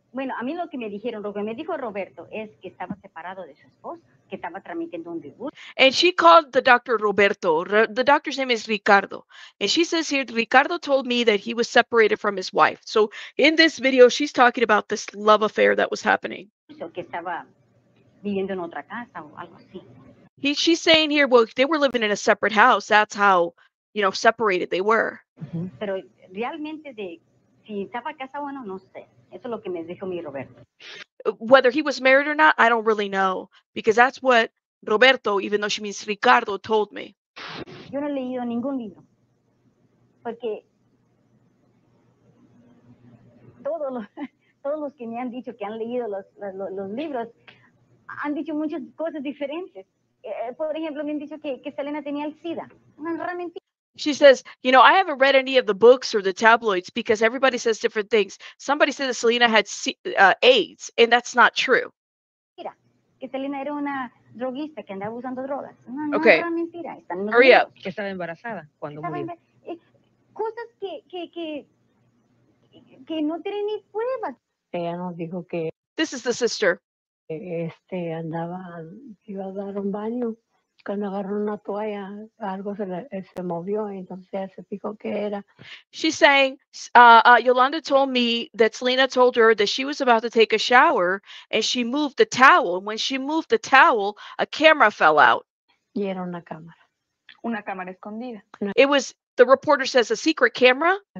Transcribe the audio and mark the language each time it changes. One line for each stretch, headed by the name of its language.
Spanish: Bueno, a mí lo que me dijeron, lo que me dijo Roberto es que estaba separado de su esposa, que estaba tramitando un divorcio.
English: And she called the doctor Roberto. The doctor's name is Ricardo. And she says here, Ricardo told me that he was separated from his wife. So in this video, she's talking about this love affair that was happening.
Spanish: Que estaba viviendo en otra casa o algo así.
English: She's saying here, well, they were living in a separate house. That's how, you know, separated they were. Mm-hmm.
Spanish: Pero realmente de si estaba casado o no, no sé. Eso es lo que me dijo mi Roberto.
English: Whether he was married or not, I don't really know. Because that's what Roberto, even though she means Ricardo, told me.
Spanish: Yo no he leído ningún libro. Porque todos los que me han dicho que han leído los libros han dicho muchas cosas diferentes. Por ejemplo, me han dicho que Selena tenía el SIDA. Una mentira.
English: She says, you know, I haven't read any of the books or the tabloids because everybody says different things. Somebody said that Selena had AIDS, and that's not true.
Spanish: Mira, que Selena era una droguista que andaba usando drogas. No,
English: okay.
Spanish: No era mentira.
English: Hurry up.
Spanish: Que estaba embarazada cuando murió. Cosas que no tienen ni pruebas. Ella nos dijo que...
English: This is the sister.
Spanish: Andaba, iba a dar un baño. Cuando agarró una toalla, algo se movió, entonces se fijó que era.
English: She's saying, Yolanda told me that Selena told her that she was about to take a shower, and she moved the towel. When she moved the towel, a camera fell out.
Spanish: Y era una cámara. Una cámara escondida.
English: It was, the reporter says, a secret camera?